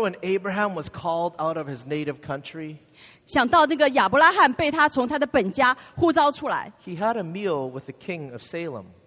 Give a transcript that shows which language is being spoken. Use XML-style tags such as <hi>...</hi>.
<en>when Abraham was called out of his native country?</en> <zh>想到那个亚伯拉罕被他从他的本家呼召出来。</zh> <en>He had a meal with the king of Salem.</en>